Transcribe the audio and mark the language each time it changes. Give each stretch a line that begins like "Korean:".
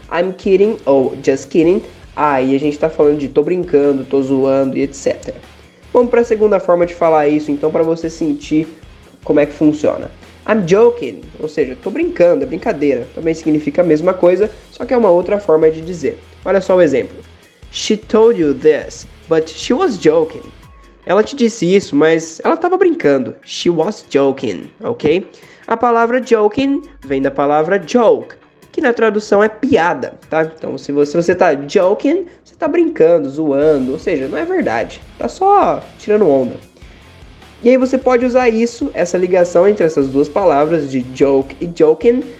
English: I'm kidding
Portuguese: ou
English: just kidding.
Portuguese: Aí a gente tá falando de tô brincando, tô zoando e etc. Vamos pra segunda forma de falar isso, então, pra você sentir como é que funciona.
English: I'm joking,
Portuguese: ou seja, tô brincando, é brincadeira. Também significa a mesma coisa, só que é uma outra forma de dizer. Olha só o exemplo.
English: She told you this, but she was joking.
Portuguese: Ela te disse isso, mas ela tava brincando.
English: She was joking, ok?
Portuguese: A palavra joking vem da palavra joke, que na tradução é piada, tá? Então, se você tá joking, você tá brincando, zoando, ou seja, não é verdade. Tá só tirando onda. E aí você pode usar isso, essa ligação entre essas duas palavras de joke e joking,